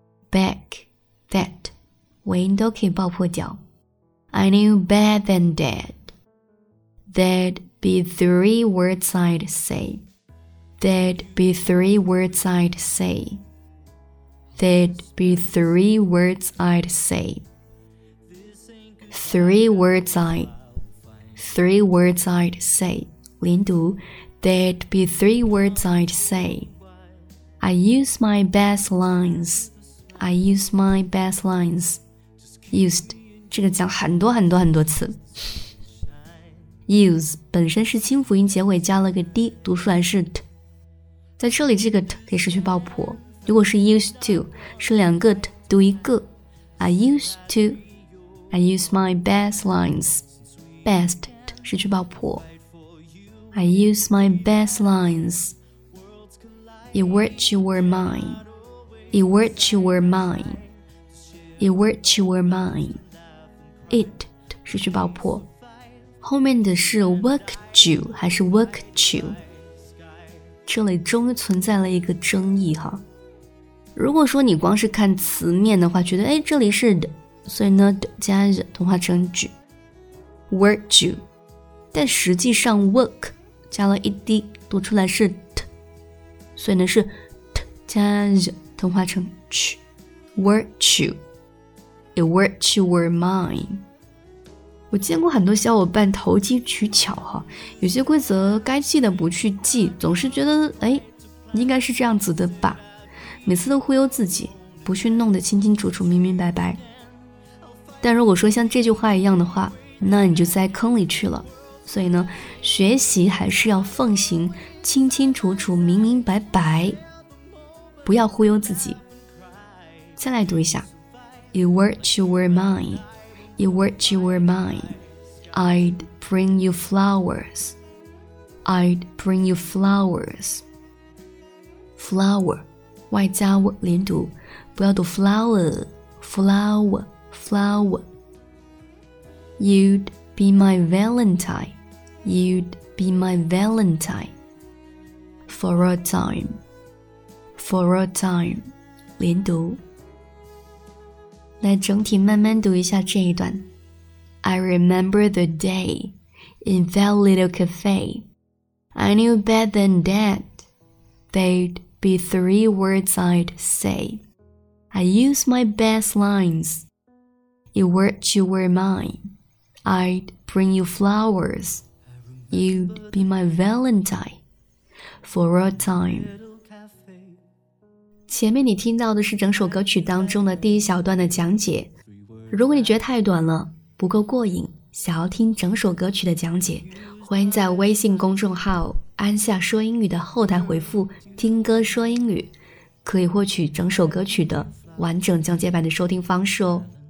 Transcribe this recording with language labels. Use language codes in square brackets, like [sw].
[en] Back that [zh] 尾音都可以爆破掉。 [en] I knew better than that. There'd be three words I'd say. There'd be three words I'd say. There'd be three words I'd say. Three words I'd. Three words I'd say. 连读 There'd be three words I'd say. I use my best lines. I use my best lines. Used. [zh] 这个讲很多很多很多次。Use 本身是清辅音，结尾加了个 d， 读出来是 t。在这里，这个 t 可以失去爆破。如果是 used to， 是两个 t 读一个。 [en] I used to， I use my best lines， best [zh] 失去爆破。 [en] I use my best lines， it worked you were mine， it worked you were mine， it worked you were mine。 [zh] It 失去爆破，后面的是 worked you 还是 worked you， 这里终于存在了一个争议哈。如果说你光是看词面的话，觉得哎这里是的，所以呢加的同化成 you worked you， 但实际上 work 加了 ed 读出来是 t， 所以呢是 t 加的同化成 you worked youIt worked you were mine。我见过很多小伙伴投机取巧哈，有些规则该记的不去记，总是觉得哎，应该是这样子的吧，每次都忽悠自己，不去弄得清清楚楚明明白白。但如果说像这句话一样的话，那你就在坑里去了。所以呢，学习还是要奉行清清楚楚明明白白，不要忽悠自己。再来读一下， [en] It worked you were mine. It worked you were mine. I'd bring you flowers. I'd bring you flowers. Flower. [zh] 外加 w 连读，不要读 flower. [en] Flower. Flower. You'd be my valentine. You'd be my valentine. For a time. For a time. 连读。 [zh] 来整体慢慢读一下这一段。 [en] I remember the day in that little cafe. I knew better than that. There'd be three words I'd say. I use my best lines. It were to wear mine. I'd bring you flowers. You'd be my valentine for a time. [zh] 前面你听到的是整首歌曲当中的第一小段的讲解，如果你觉得太短了不够过瘾，想要听整首歌曲的讲解，欢迎在微信公众号安夏说英语的后台回复听歌说英语，可以获取整首歌曲的完整讲解版的收听方式哦。